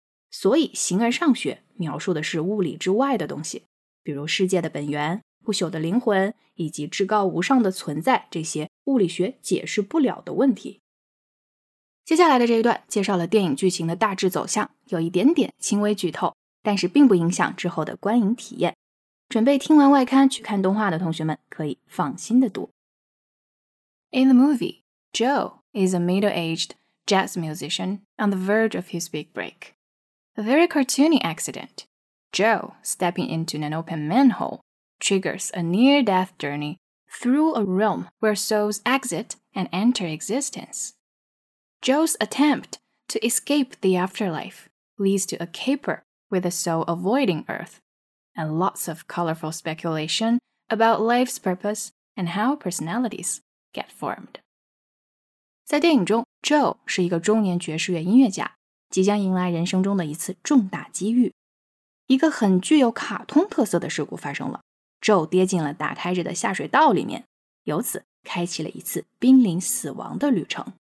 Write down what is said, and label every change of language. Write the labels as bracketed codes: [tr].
[zh] 所以形而上学描述的是物理之外的东西，比如世界的本源、不朽的灵魂以及至高无上的存在，这些物理学解释不了的问题。接下来的这一段介绍了电影剧情的大致走向，有一点点轻微剧透，但是并不影响之后的观影体验。准备听完外刊去看动画的同学们可以放心的读。 [en] In the movie, Joe is a middle-aged jazz musician on the verge of his big break. A very cartoony accident, Joe stepping into an open manhole, triggers a near-death journey through a realm where souls exit and enter existence. Joe's attempt to escape the afterlife leads to a caper with a soul avoiding Earth, and lots of colorful speculation about life's purpose and how personalities. Get formed. [zh] 在电影中 ,Joe 是一个中年爵士乐音乐家，即将迎来人生中的一次重大机遇。一个很具有卡通特色的事故发生了， Joe 跌进了打开着的下水道里面，由此开启了一次濒临死亡的旅程。